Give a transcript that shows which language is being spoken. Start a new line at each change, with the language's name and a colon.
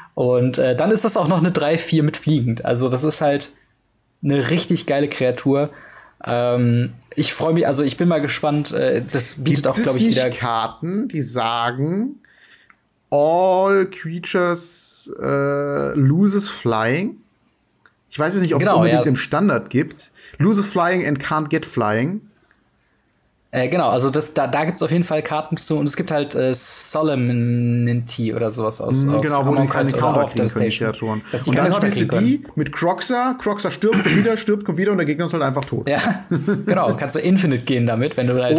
German: Und dann ist das auch noch eine 3-4 mit fliegend. Also das ist halt eine richtig geile Kreatur. Ich freue mich, also ich bin mal gespannt. Das bietet gibt auch, glaube ich, nicht wieder Karten, die sagen,
English: all creatures loses flying.
German: Ich weiß jetzt nicht, ob es unbedingt im Standard gibt.
English: Loses flying and can't get flying.
German: Genau, also da gibt es auf jeden Fall Karten zu. Und es gibt halt Solemnity oder sowas aus genau, wo die keine Counter kriegen können, die Kreaturen. Und dann spielst du die mit Kroxa stirbt, kommt wieder, stirbt, kommt wieder und der Gegner ist halt einfach tot. Ja, genau, kannst du Infinite gehen damit, wenn du halt